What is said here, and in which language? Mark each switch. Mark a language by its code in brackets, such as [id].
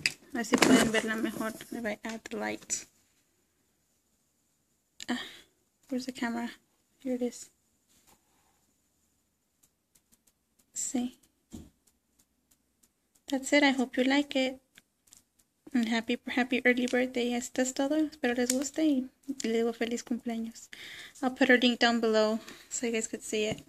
[es] A ver si pueden verla mejor [en] if I add the light. Where's the camera? Here it is. See, that's it. I hope you like it, and happy early birthday. [es] Esto es todo. Espero les guste y les digo feliz cumpleaños. [en] I'll put her link down below so you guys could see it.